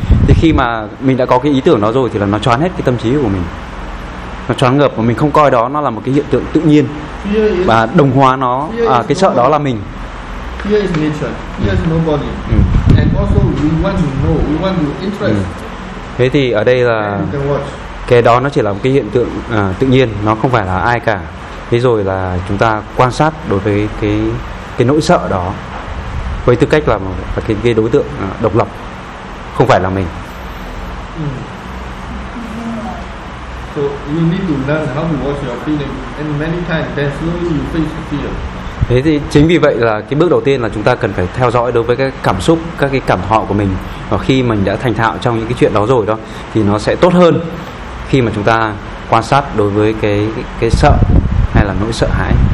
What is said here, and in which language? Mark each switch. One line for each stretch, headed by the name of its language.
Vietnamese: Thì khi mà mình đã có cái ý tưởng đó rồi thì là nó choáng hết cái tâm trí của mình, nó choáng ngợp và mình không coi đó nó là một cái hiện tượng tự nhiên và đồng hóa nó cái sợ đó là mình.
English: Fear is nature, fear is nobody. And also we want to know, we want to interest.
Vietnamese: Thế thì ở đây là cái đó nó chỉ là một cái hiện tượng tự nhiên, nó không phải là ai cả. Thế rồi là chúng ta quan sát đối với cái nỗi sợ đó với tư cách là một cái đối tượng độc lập, không phải là mình.
English: So you need to learn how to watch your feeling and many times then slowly you face the fear.
Vietnamese: Thế thì chính vì vậy là cái bước đầu tiên là chúng ta cần phải theo dõi đối với các cảm xúc, các cái cảm thọ của mình. Và khi mình đã thành thạo trong những cái chuyện đó rồi đó, thì nó sẽ tốt hơn khi mà chúng ta quan sát đối với cái sợ hay là nỗi sợ hãi.